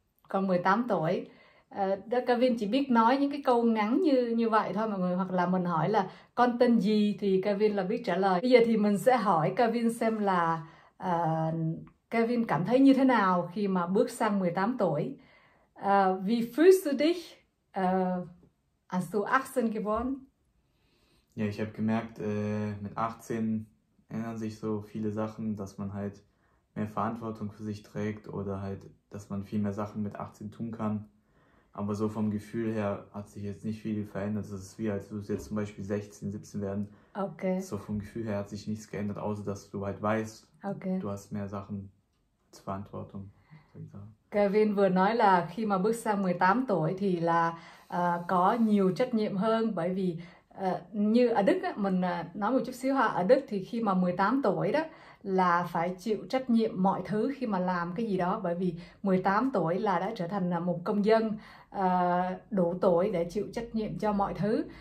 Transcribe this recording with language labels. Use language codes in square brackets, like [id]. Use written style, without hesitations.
[vi] Con 18 tuổi. Kevin chỉ biết nói những cái câu ngắn như như vậy thôi mọi người, hoặc là mình hỏi là con tên gì thì Kevin là biết trả lời. Bây giờ thì mình sẽ hỏi Kevin xem là Kevin cảm thấy như thế nào khi mà bước sang 18 tuổi. [de] Wie fühlst du dich, als du 18 geworden? Ja, ich habe gemerkt, mit 18 ändern sich so viele Sachen, dass man halt mehr Verantwortung für sich trägt oder halt, dass man viel mehr Sachen mit 18 tun kann. Aber so vom Gefühl her hat sich jetzt nicht viel verändert. Es ist wie, als würdest du jetzt zum Beispiel 16, 17 werden. Okay. So vom Gefühl her hat sich nichts geändert, außer dass du halt weißt, Okay. du hast mehr Sachen zur Verantwortung. Sozusagen. [vi] Kevin vừa nói là khi mà bước sang 18 tuổi thì là có nhiều trách nhiệm hơn, bởi vì như ở Đức á, mình nói một chút xíu ha, ở Đức thì khi mà 18 tuổi đó là phải chịu trách nhiệm mọi thứ khi mà làm cái gì đó, bởi vì 18 tuổi là đã trở thành một công dân đủ tuổi để chịu trách nhiệm cho mọi thứ.